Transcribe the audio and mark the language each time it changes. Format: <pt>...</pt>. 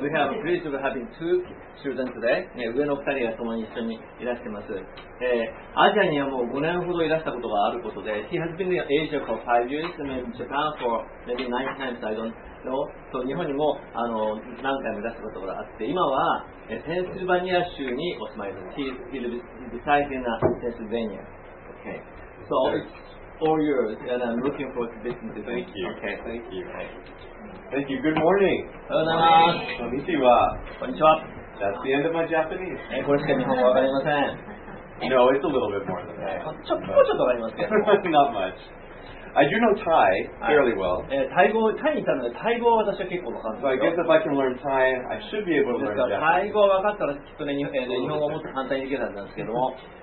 <en>We have the privilege of having two children today.</en> <ja>上の二人が共に一緒にいらしてます。アジアにはもう5年ほどいらしたことがあることで、</ja> <en>He has been in Asia for 5 years and in Japan for maybe 9 times, I don't know.</en> <ja>So 日本にも何回もいらしたことがあって、今はペンシルバニア州にお住まいです。</ja> <en>He is residing in Pennsylvania. Okay. So it's 4 years and I'm looking forward to visiting today. Thank you. Okay, thank you. Thank you. Good morning.</en> <ja>Konnichiwa. Konnichiwa.</ja> <en>That's the end of my Japanese.</en> <ja>これしか日本語わかりません。</ja> <en>No, it's a little bit more than that.</en> <ja>ちょっとわかりますけど。</ja> <en>Not much. I do know Thai fairly well.</en> <ja>タイに行ったので、タイ語は私は結構わかります。</ja> <en>So I guess if I can learn Thai, I should be able to learn Japanese.</en> <ja>タイ語わかったらきっとね、日本語もっと簡単にできたんですけども。</ja>